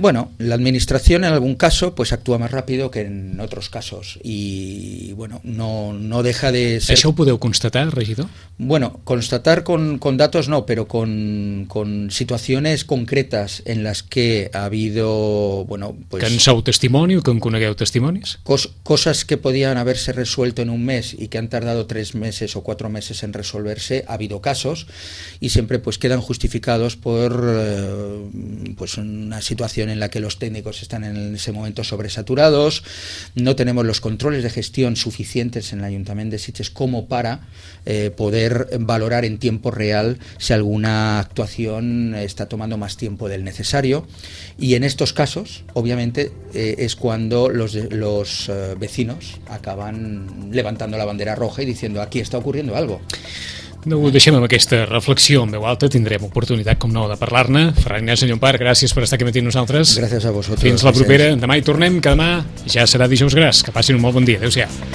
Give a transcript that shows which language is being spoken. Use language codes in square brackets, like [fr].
[ca] Bueno, l'administració en algun cas pues actua més ràpid que en altres casos, i bueno, no deixa de ser. Això ho podeu constatar, regidor? [es] Bueno, constatar con datos no, pero con situaciones concretas en las que ha habido, bueno, pues... [ca] Que en sou testimoni o que en conegueu testimonis? [es] Cosas que podían haberse resuelto en un mes y que han tardado 3 meses o 4 meses en resolverse, ha habido casos, y siempre pues quedan justificados por pues una situación en la que los técnicos están en ese momento sobresaturados, no tenemos los controles de gestión suficientes en el Ayuntamiento de Sitges como para poder valorar en tiempo real si alguna actuación está tomando más tiempo del necesario, y en estos casos obviamente es cuando los vecinos acaban levantando la bandera roja y diciendo aquí está ocurriendo algo. [ca] No ho deixem amb aquesta reflexió en veu alta, tindrem oportunitat com no de parlar-ne. Ferran Ignasi Llompart, gràcies per estar aquí amb nosaltres. Gràcies a vosaltres. Fins la propera, demà hi tornem, que demà ja serà dijous gras. Que passin un molt bon dia, adeu-siau.